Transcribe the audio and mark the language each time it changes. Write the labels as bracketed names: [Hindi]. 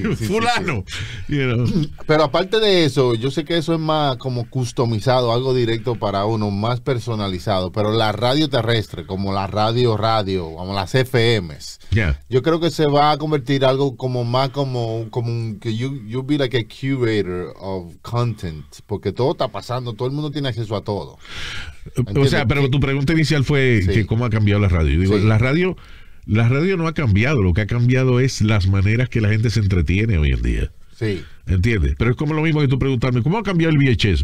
[Spanish] fulano. Sí. [English] You know. [Spanish] Pero aparte de eso, yo sé que eso es más como customizado, algo directo para uno, más personalizado. Pero la radio terrestre, como la radio, como las FMs. [English] Yeah. [Spanish] Yo creo que se va a convertir algo como más como un. [English] Que you be like a curator of content. [Spanish] Porque todo está pasando, todo el mundo tiene acceso a todo. ¿Entiendes? O sea, pero tu pregunta inicial fue que cómo ha cambiado la radio. Digo, la radio no ha cambiado. Lo que ha cambiado es las maneras que la gente se entretiene hoy en día. Sí. ¿Entiendes? Pero es como lo mismo que tú preguntarme, ¿cómo ha cambiado el VHS?